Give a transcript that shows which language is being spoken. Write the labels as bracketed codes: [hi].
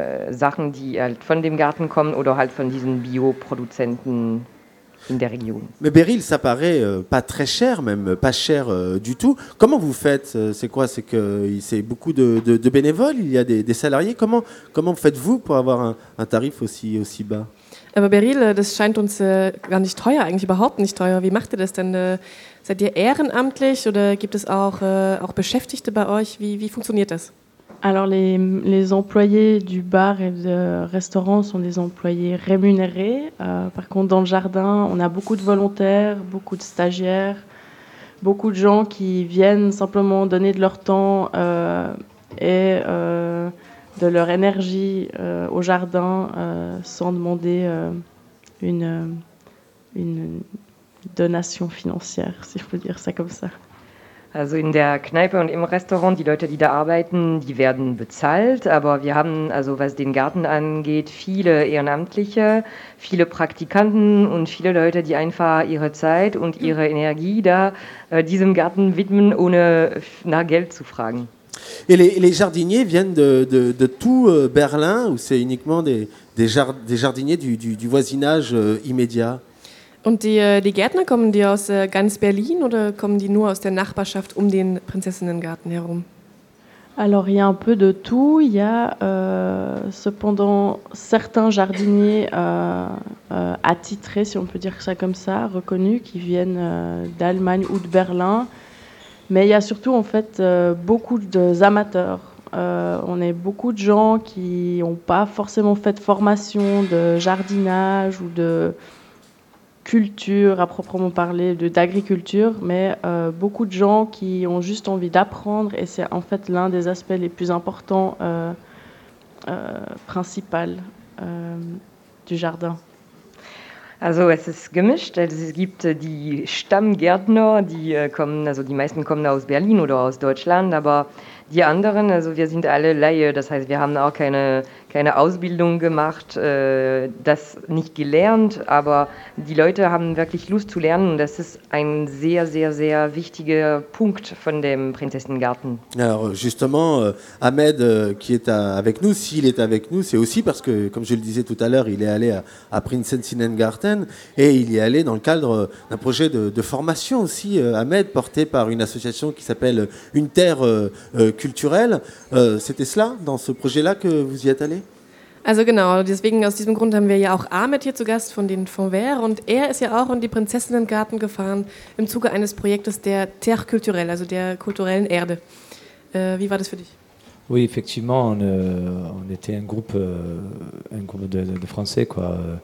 [de] Sachen, die halt von dem Garten kommen oder halt von diesen Bioproduzenten in der Region. [fr] Mais Beryl, ça paraît pas très cher, même pas cher du tout. Comment vous faites? C'est quoi? C'est que c'est beaucoup de bénévoles, il y a des salariés. Comment faites-vous pour avoir un tarif aussi bas? [de] Aber Beryl, das scheint uns gar nicht teuer, eigentlich überhaupt nicht teuer. Wie macht ihr das denn? Seid ihr ehrenamtlich oder gibt es auch Beschäftigte bei euch? Wie funktioniert das? [fr] Alors les employés du bar et du restaurant sont des employés rémunérés. Par contre, dans le jardin, on a beaucoup de volontaires, beaucoup de stagiaires, beaucoup de gens qui viennent simplement donner de leur temps et de leur énergie au jardin sans demander une donation financière, si je peux dire ça comme ça. [de] Also in der Kneipe und im Restaurant, die Leute, die da arbeiten, die werden bezahlt. Aber wir haben, also was den Garten angeht, viele Ehrenamtliche, viele Praktikanten und viele Leute, die einfach ihre Zeit und ihre Energie da diesem Garten widmen, ohne nach Geld zu fragen. [fr] Et les jardiniers viennent de tout Berlin ou c'est uniquement des jardiniers du voisinage immédiat? [de] Und die Gärtner, kommen die aus ganz Berlin oder kommen die nur aus der Nachbarschaft um den Prinzessinnengarten herum? [fr] Alors, il y a un peu de tout. Il y a cependant certains jardiniers attitrés, si on peut dire ça comme ça, reconnus, qui viennent d'Allemagne ou de Berlin. Mais il y a surtout en fait beaucoup d'amateurs. On est beaucoup de gens qui n'ont pas forcément fait de formation de jardinage ou de culture à proprement parler, d'agriculture, mais beaucoup de gens qui ont juste envie d'apprendre et c'est en fait l'un des aspects les plus importants, principal du jardin. [de] Also es ist gemischt, es gibt die Stammgärtner, die kommen, also die meisten kommen aus Berlin oder aus Deutschland, aber die anderen, also wir sind alle Laie, das heißt wir haben auch keine Ausbildung gemacht, das nicht gelernt, aber die Leute haben wirklich Lust zu lernen und das ist ein sehr, sehr, sehr wichtiger Punkt von dem Prinzessengarten. [fr] Alors justement, Ahmed qui est avec nous, s'il est avec nous, c'est aussi parce que, comme je le disais tout à l'heure, il est allé à Prinzessinnengarten et il y est allé dans le cadre d'un projet de formation aussi, Ahmed, porté par une association qui s'appelle Une Terre Culturelle. C'était cela, dans ce projet-là, que vous y êtes? [de] Also genau, deswegen aus diesem Grund haben wir ja auch Ahmed hier zu Gast von den Fonds Vert und er ist ja auch in die Prinzessinnengarten gefahren im Zuge eines Projektes der Terre Culturelle, also der kulturellen Erde. Wie war das für dich? [fr] Oui, effectivement, on était un groupe de Français, quoi.